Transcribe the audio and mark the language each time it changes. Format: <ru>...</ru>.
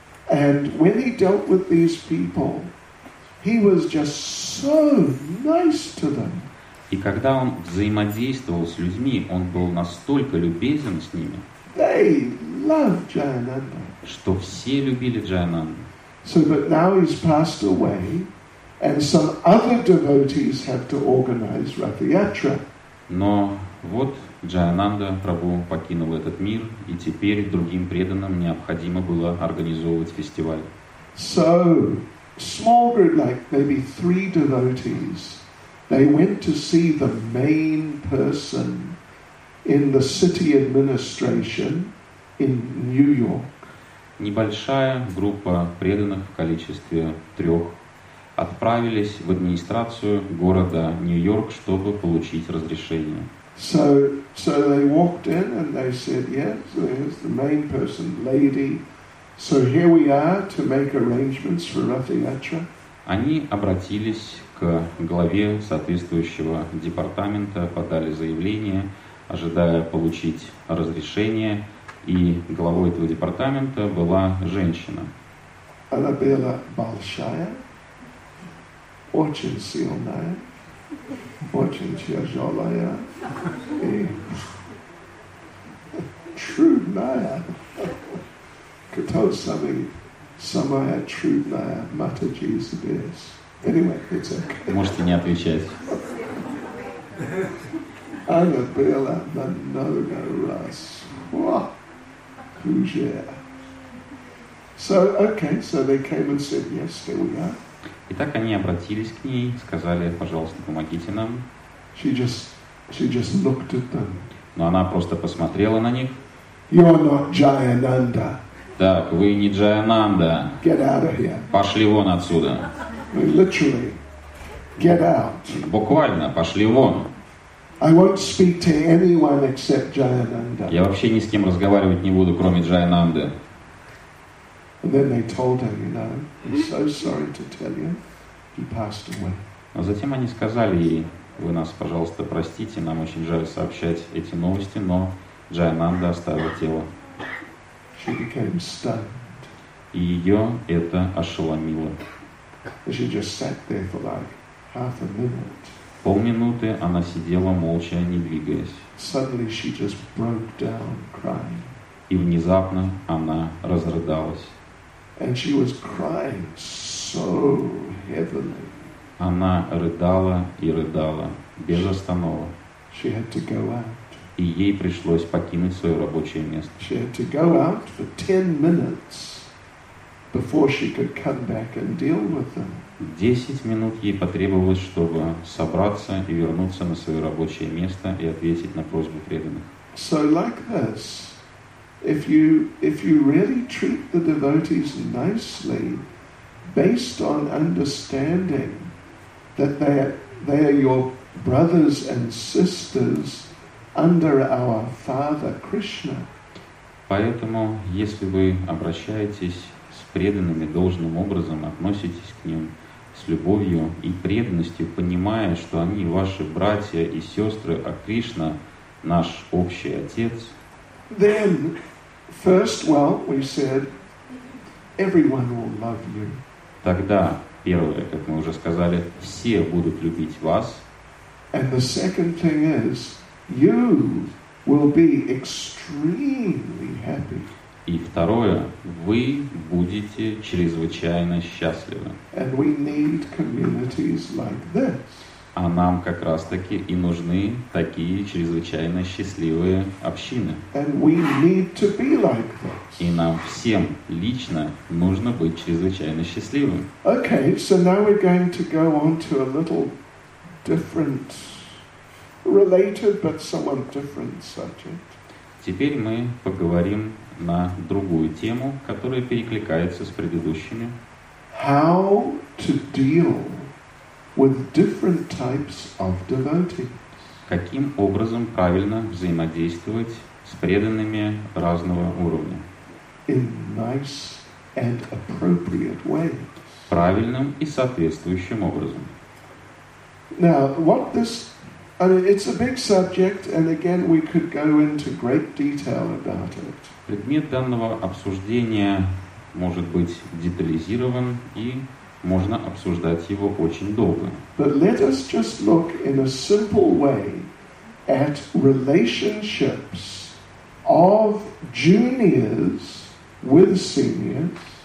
<en>And when he dealt with these people, he was just so nice to them.</en> <ru>И когда он взаимодействовал с людьми, он был настолько любезен с ними.</ru> <en>They loved Jayananda.</en> <ru>Что все любили Джайананду.</ru> <en>So, but now he's passed away, and some other devotees have to organize Rath Yatra.</en> <ru>Но вот. Джайананда Прабху покинул этот мир, и теперь другим преданным необходимо было организовывать фестиваль.</ru> <en>So, small group, like maybe three devotees, they went to see the main person in the city administration in New York.</en> <ru>Небольшая группа преданных в количестве трех отправились в администрацию города Нью-Йорк, чтобы получить разрешение.</ru> <en>So they walked in and they said, "Yes, there's the main person, lady. So here we are to make arrangements for Rath Yatra."</en> <ru>Они обратились к главе соответствующего департамента, подали заявление, ожидая получить разрешение, и главой этого департамента была женщина. Она была большая, очень сильная. Очень тяжелая и трудная. Кто самая трудная мата Джизи Бес?</ru> <en>Anyway, it's okay.</en> <ru>Можете не отвечать. Она была много раз. Хуже.</ru> <en>So, okay, so they came and said, yes, here we are.</en> <ru>Итак, они обратились к ней, сказали, пожалуйста, помогите нам.</ru> <en>She just looked at them.</en> <ru>Но она просто посмотрела на них.</ru> <en>You're not Jayananda.</en> <ru>Так, вы не Джайананда.</ru> <en>Get out of here.</en> <ru>Пошли вон отсюда.</ru> <en>Literally, get out.</en> <ru>Буквально, пошли вон.</ru> <en>I won't speak to anyone except Jayananda.</en> <ru>Я вообще ни с кем разговаривать не буду, кроме Джайананды.</ru> <en>And then they told him, you know, I'm so sorry to tell you, he passed away.</en> <ru>А затем они сказали ей, вы нас, пожалуйста, простите, нам очень жаль сообщать эти новости, но Джайананда оставил тело.</ru> <en>She became stunned.</en> <ru>И ее это ошеломило.</ru> <en>She just sat there for like half a minute.</en> <ru>Полминуты она сидела молча, не двигаясь.</ru> <en>Suddenly she just broke down crying.</en> <ru>И внезапно она разрыдалась.</ru> <en>And she was crying so heavily.</en> <ru>Она рыдала и рыдала без остановок.</ru> <en>She had to go out.</en> <ru>И ей пришлось покинуть свое рабочее место.</ru> <en>She had to go out for 10 minutes before she could come back and deal with them.</en> <ru>10 минут ей потребовалось, чтобы собраться и вернуться на свое рабочее место и ответить на просьбу преданных.</ru> <en>So like this. If you really treat the devotees nicely, based on understanding that they are your brothers and sisters under our Father Krishna.</en> <ru>Поэтому, если вы обращаетесь с преданными должным образом, относитесь к ним с любовью и преданностью, понимая, что они ваши братья и сестры, а Кришна наш общий отец.</ru> <en>Then, first, well, we said, everyone will love you.</en> <ru>Тогда, первое, как мы уже сказали, все будут любить вас.</ru> <en>And the second thing is, you will be extremely happy.</en> <ru>И второе, вы будете чрезвычайно счастливы.</ru> <en>And we need communities like this.</en> <ru>А нам как раз-таки и нужны такие чрезвычайно счастливые общины.</ru> <en>And we need to be like this.</en> <ru>И нам всем лично нужно быть чрезвычайно счастливым.</ru> <en>Okay, so now we're going to go on to a little different, related, but somewhat different subject.</en> <ru>Теперь мы поговорим на другую тему, которая перекликается с предыдущими.</ru> <en>How to deal with different types of devotees?</en> <ru>Каким образом правильно взаимодействовать с преданными разного уровня?</ru> <en>In nice and appropriate ways.</en> <ru>Правильным и соответствующим образом.</ru> <en>Now, what this, I mean, it's a big subject, and again, we could go into great detail about it.</en> <ru>Предмет данного обсуждения может быть детализирован, и можно обсуждать его очень долго.</ru> <en>But let us just look in a simple way at relationships of juniors with seniors.</en>